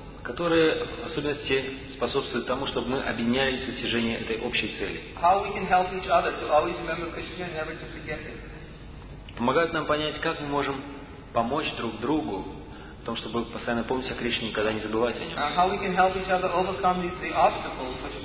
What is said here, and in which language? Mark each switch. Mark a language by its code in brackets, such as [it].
[ru] Которые в особенности способствуют тому, чтобы мы объединялись в достижении этой общей цели. [en] How we can help each other to always remember Krishna and never to forget him. [ru] Помогают нам понять, как мы можем помочь друг другу в том, чтобы постоянно помнить о Кришне и никогда не забывать о нем.